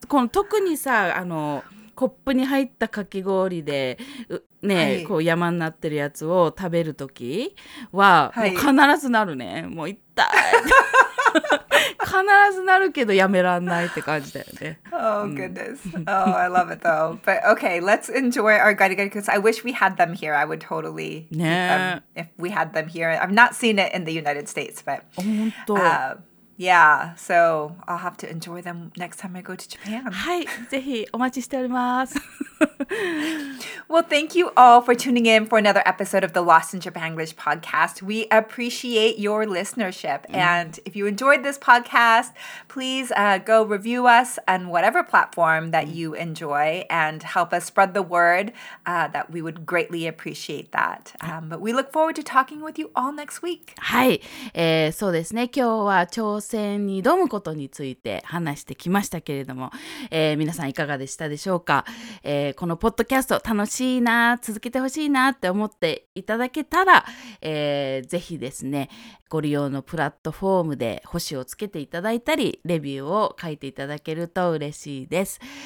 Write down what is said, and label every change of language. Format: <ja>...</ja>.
<ja>この特にさ、あの、コップに入ったかき氷でね、はい、こう山になってるやつを食べるときは、はい、もう必ずなるね。もう痛い。必ずなるけどやめらんないって感じだよね。</ja> <en>Oh goodness. Oh, I love it though. But okay, let's enjoy our ガリガリ because I wish we had them here. I would totally</en> <ja>ね、</ja> <en>if we had them here. I've not seen it in the United States, but</en> <ja>本当。</ja> <en>Yeah, so I'll have to enjoy them next time I go to Japan.</en> <ja>はい、ぜひお待ちしております。</ja> <en>Well, thank you all for tuning in for another episode of the Lost in Japan English podcast. We appreciate your listenership. Mm. And if you enjoyed this podcast, please go review us on whatever platform that you enjoy and help us spread the word that we would greatly appreciate that. But we look forward to talking with you all next week.</en> <ja>はい、そうですね。今日は挑戦に挑むことについて話してきましたけれども、皆さんいかがでしたでしょうか、このポッドキャスト楽しいな、続けてほしいなって思っていただけたら、ぜひですね、ご利用のプラットフォームで星をつけていただいたり、レビューを書いていただけると嬉しいです。</ja>